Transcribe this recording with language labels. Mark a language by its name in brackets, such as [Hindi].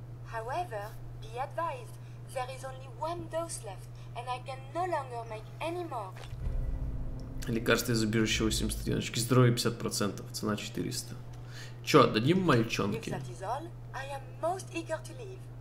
[English] However, be advised, there is only one dose left, and I can no longer make any more. [Russian] Лекарство из убежища 83, очки здоровья 50%, цена 400. Чё, дадим мальчонке? [English] If that is all, I am most eager to leave.